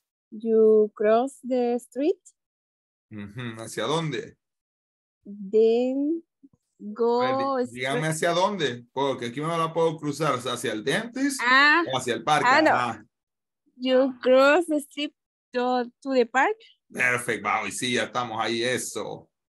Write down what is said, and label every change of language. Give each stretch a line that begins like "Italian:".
English: You cross the street.
Spanish: Mm-hmm. ¿Hacia dónde?
English: Then... Go.
Spanish: Ver, dígame straight. Hacia dónde, porque aquí me la puedo cruzar, o sea, hacia el dentist o hacia el parque. No. Ah.
English: You cross the street to the park. Perfect, wow,
Spanish: y sí, ya estamos ahí, eso.